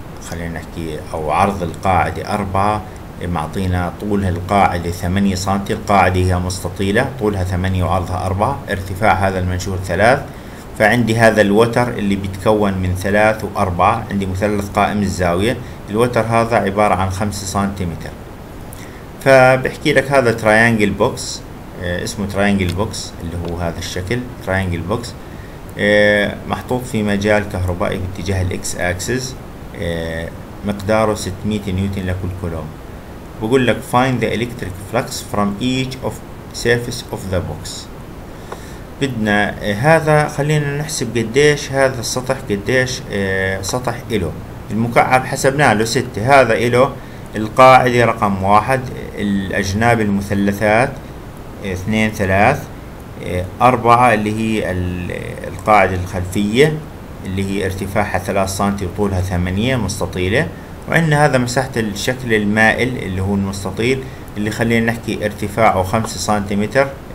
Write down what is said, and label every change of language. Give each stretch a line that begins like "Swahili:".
Arabic: خلينا نحكي او عرض القاعدة 4، معطينا طول القاعدة 8 سنتي، القاعدة هي مستطيلة طولها 8 وعرضها 4، ارتفاع هذا المنشور 3، فعندي هذا الوتر اللي بيتكون من 3 و4، عندي مثلث قائم الزاوية، الوتر هذا عبارة عن 5 سنتيمتر. فبحكي لك هذا تريانجل بوكس، اسمه تريانجل بوكس اللي هو هذا الشكل تريانجل بوكس، محطوط في مجال كهربائي باتجاه الاكس اكسس، مقداره 600 نيوتن لكل كولوم. بقول لك
English: find the electric flux from each of surface of the box.
Arabic: بدنا هذا، خلينا نحسب قديش هذا السطح، قديش سطح إله المكعب، حسبناه له 6. هذا إله القاعدة رقم 1، الأجناب المثلثات 2 3، 4 اللي هي القاعدة الخلفية اللي هي ارتفاعها 3 سنتي وطولها 8 مستطيلة، وعندنا هذا مساحة الشكل المائل اللي هو المستطيل اللي خلينا نحكي ارتفاعه 5 سنتيمتر،